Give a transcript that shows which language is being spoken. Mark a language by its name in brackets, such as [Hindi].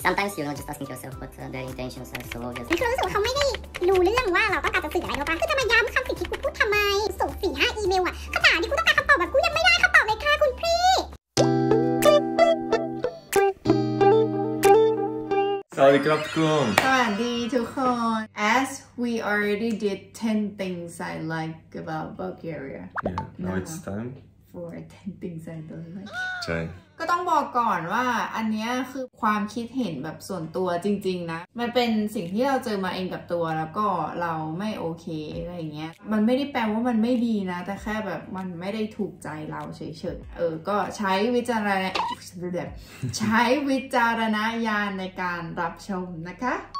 [English] Sometimes you know just asking yourself what their intentions are so obvious. [Thai] คือรู้สึกว่าเขาไม่ได้รู้เรื่องว่าเราต้องการจะสื่ออะไรหรอกป่ะคือทำไมย้ำคำสิทธิ์กูพูดทำไมส่ง 4-5 อีเมลอ่ะคำถามที่กูต้องการคำตอบแบบกูยังไม่ได้คำตอบเลยค่ะคุณพี่ สวัสดีครับคุณ สวัสดีทุกคน [English] As we already did 10 things I like about Bulgaria yeah, now it's time for 10 things I don't like [Thai] ใช่ ก็ต้องบอกก่อนว่าอันนี้คือความคิดเห็นแบบส่วนตัวจริงๆนะมันเป็นสิ่งที่เราเจอมาเองกับตัวแล้วก็เราไม่โอเคอะไรเงี้ยมันไม่ได้แปลว่ามันไม่ดีนะแต่แค่แบบมันไม่ได้ถูกใจเราเฉยๆก็ใช้วิจารณ ใช้วิจารณญาณในการรับชมนะคะ